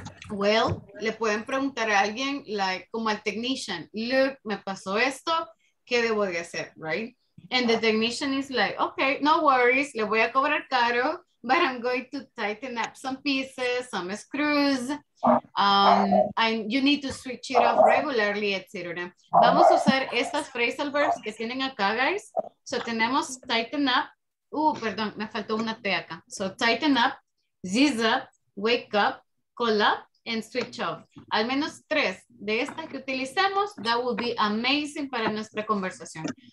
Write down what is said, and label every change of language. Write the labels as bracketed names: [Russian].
[Spanish] Well, le pueden preguntar a alguien, like, como al technician, look, me pasó esto, ¿qué debo de hacer? [English] Right? And the technician is like, okay, no worries, le voy a cobrar caro, but I'm going to tighten up some pieces, some screws, and you need to switch it off regularly, etc. [Spanish] Vamos a usar estas phrasal verbs que tienen acá, guys. So tenemos tighten up. Perdón, me faltó una T acá. [English] So, tighten up, zizz up, wake up, call up, and switch off. [Spanish] Al menos tres de estas que utilizamos, that would be amazing para nuestra conversación.